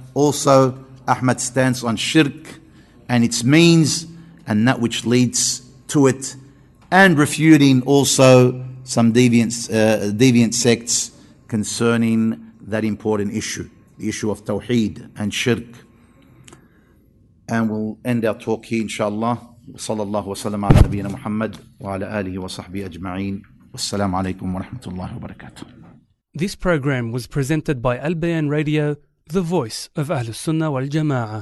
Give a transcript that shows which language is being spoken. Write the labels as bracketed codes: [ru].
[en] Also, Ahmad's stance on Shirk and its means and that which leads to it, and refuting also some deviant sects concerning that important issue, the issue of Tawheed and Shirk. And we'll end our talk here, inshallah. [ar] صلى الله وسلم على نبينا محمد وعلى آله وصحبه أجمعين والسلام عليكم ورحمة الله وبركاته. [en] This program was presented by Al Bayan Radio, the voice of Ahl Sunnah wal Jama'ah.